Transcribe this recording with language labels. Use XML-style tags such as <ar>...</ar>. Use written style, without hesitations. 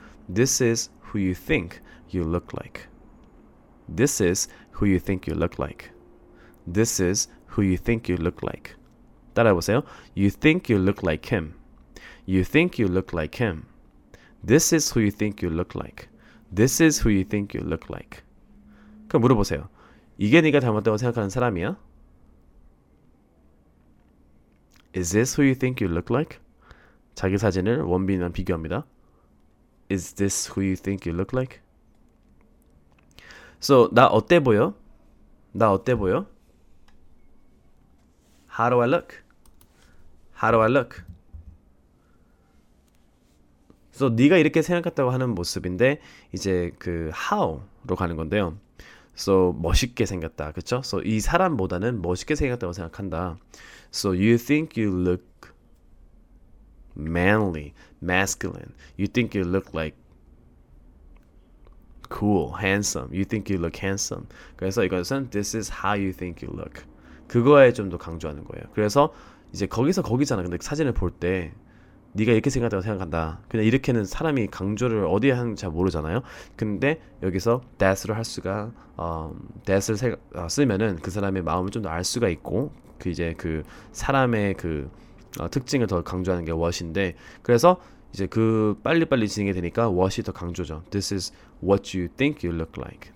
<en>This is who you think you look like. This is who you think you look like. This is who you think you look like.</en> <ko>따라해보세요.</ko> <en>You think you look like him. You think you look like him. This is who you think you look like. This is who you think you look like.</en> <ko>그럼 물어보세요. 이게 네가 닮았다고 생각하는 사람이야?</ko> <en>Is this who you think you look like?</en> <ko>자기 사진을 원빈이랑 비교합니다.</ko> <en>Is this who you think you look like?</en> <ko>So, 나 어때 보여? 나 어때 보여?</ko> <en>How do I look? How do I look?</en> <ko>So, 네가 이렇게 생각했다고 하는 모습인데 이제 그 how로 가는 건데요. So, 멋있게 생겼다. 그쵸? So, 이 사람보다는 멋있게 생겼다고 생각한다.</ko> <en>So, you think you look manly, masculine. You think you look like cool, handsome. You think you look handsome.</en> <ko>그래서 이것은</ko> <en>this is how you think you look.</en> <ko>그거에 좀 더 강조하는 거예요. 그래서 이제 거기서 거기잖아. 근데 사진을 볼 때 네가 이렇게 생각한다고 생각한다. 그냥 이렇게는 사람이 강조를 어디에 하는지 잘 모르잖아요. 근데 여기서 that을 할 수가 that을 쓰면은 그 사람의 마음을 좀 더 알 수가 있고 그 이제 그 사람의 그 특징을 더 강조하는 게 what인데 그래서 이제 그 빨리빨리 진행이 되니까 what이 더 강조죠.</ko> <en>This is what you think you look like.</en>